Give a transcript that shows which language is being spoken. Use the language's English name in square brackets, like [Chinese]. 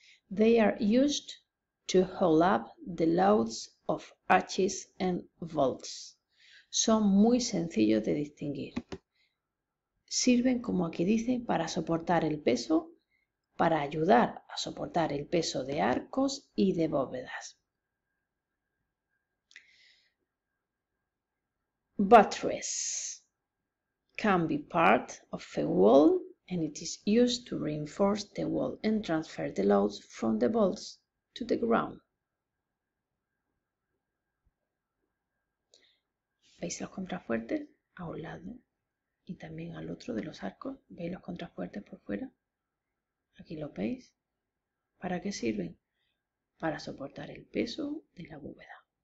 [English] They are used to hold up the loads of arches and vaults. [Spanish] Son muy sencillos de distinguir. Sirven, como aquí dice, para soportar el peso, para ayudar a soportar el peso de arcos y de bóvedas. [English] Buttress can be part of a wall and it is used to reinforce the wall and transfer the loads from the vaults to the ground. [Spanish] ¿Veis los contrafuertes a un lado y también al otro de los arcos? ¿Veis los contrafuertes por fuera? Aquí lo veis. ¿Para qué sirven? Para soportar el peso de la bóveda.